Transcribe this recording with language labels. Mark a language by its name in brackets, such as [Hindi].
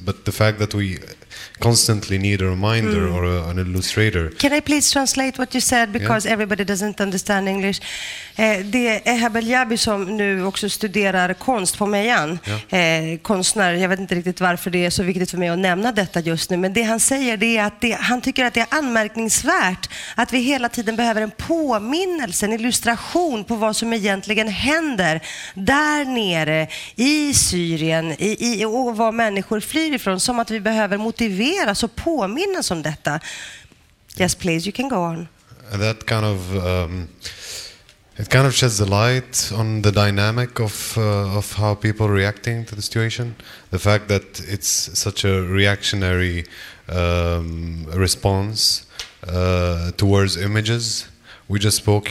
[English] But the fact that we constantly need a reminder or an illustrator. Can I please translate what you said? Because yeah. Everybody doesn't understand English. [Swedish] Det är Ehabel Jabi som nu också studerar konst på Mejan. Konstnär, jag vet inte riktigt varför det är så viktigt för mig att nämna detta just nu. Men det han säger det är att han tycker att det är anmärkningsvärt att vi hela tiden behöver en påminnelse, en illustration på vad som egentligen händer där nere i Syrien och vad människor flyr ifrån, som att vi behöver motiveras och påminnas om detta. [English] Yes, please, you can go on. That kind of... it kind of sheds a light on the dynamic of how people are reacting to the situation. The fact that it's such a reactionary response towards images. We just spoke.